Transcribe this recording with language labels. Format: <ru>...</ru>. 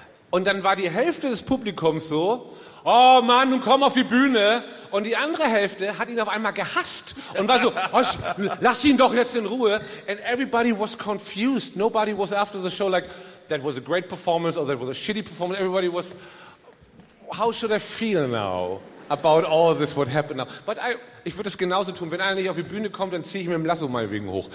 <de>Und dann war die Hälfte des Publikums so, oh Mann, nun komm auf die Bühne. Und die andere Hälfte hat ihn auf einmal gehasst und war so, lass ihn doch jetzt in Ruhe.</de> <en>And everybody was confused. Nobody was after the show like, that was a great performance or that was a shitty performance. Everybody was, how should I feel now about all this, what happened now? But</en> <de>ich würde es genauso tun. Wenn einer nicht auf die Bühne kommt, dann ziehe ich mit dem Lasso meinetwegen hoch.</de>